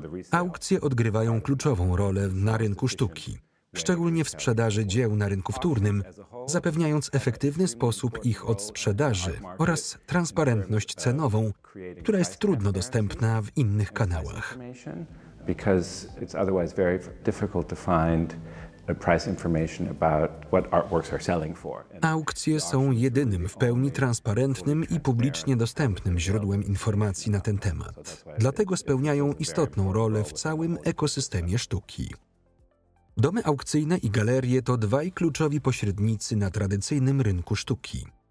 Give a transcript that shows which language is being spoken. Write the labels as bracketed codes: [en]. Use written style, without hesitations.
[pl] Aukcje odgrywają kluczową rolę na rynku sztuki, szczególnie w sprzedaży dzieł na rynku wtórnym, zapewniając efektywny sposób ich odsprzedaży oraz transparentność cenową, która jest trudno dostępna w innych kanałach. [en] Because it's otherwise very difficult to find a price information about what artworks are selling for. [pl] Aukcje są jedynym w pełni transparentnym i publicznie dostępnym źródłem informacji na ten temat. Dlatego spełniają istotną rolę w całym ekosystemie sztuki. Domy aukcyjne i galerie to dwaj kluczowi pośrednicy na tradycyjnym rynku sztuki.